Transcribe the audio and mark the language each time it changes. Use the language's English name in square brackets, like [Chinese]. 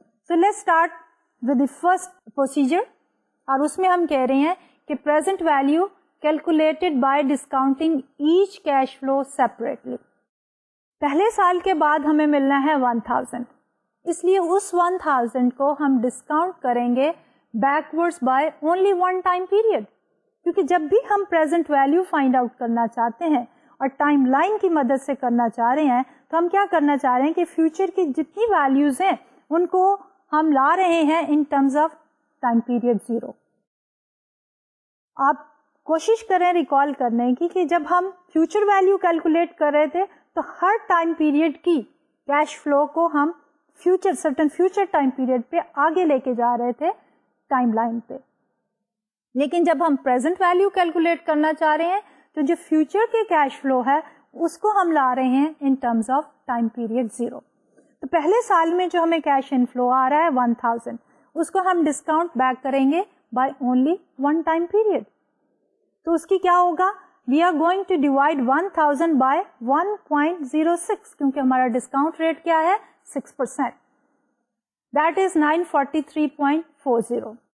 [English] So let's start with the first procedure [Hindi] aur usme hum keh rahe hain ki [English] present value calculated by discounting each cash flow separately. [Hindi] पहले साल के बाद हमें मिलना है 1,000, इसलिए उस 1,000 को हम डिस्काउंट करेंगे [English] Backwards by only one time period. [Hindi] क्योंकि जब भी हम प्रेजेंट वैल्यू फाइंड आउट करना चाहते हैं और टाइम लाइन की मदद से करना चाह रहे हैं, तो हम क्या करना चाह रहे हैं कि फ्यूचर की जितनी वैल्यूज हैं उनको हम ला रहे हैं [English] In terms of time period 0. [Hindi] आप कोशिश करें रिकॉल करने की कि जब हम फ्यूचर वैल्यू कैलकुलेट कर रहे थे तो हर टाइम पीरियड की कैश फ्लो को हम future certain future time period पे आगे लेके जा रहे थे टाइम लाइन पे. लेकिन जब हम प्रेजेंट वैल्यू कैलकुलेट करना चाह रहे हैं तो जो फ्यूचर के कैश फ्लो है उसको हम ला रहे हैं [English] In terms of time period 0. [Hindi] तो पहले साल में जो हमें कैश इनफ्लो आ रहा है 1,000, उसको हम डिस्काउंट बैक करेंगे [English] By only one time period. [Hindi] तो उसकी क्या होगा, [English] we are going to divide 1000 by 1.06 [Hindi] kyunki hamara discount rate kya hai 6%, [English] that is 943.40.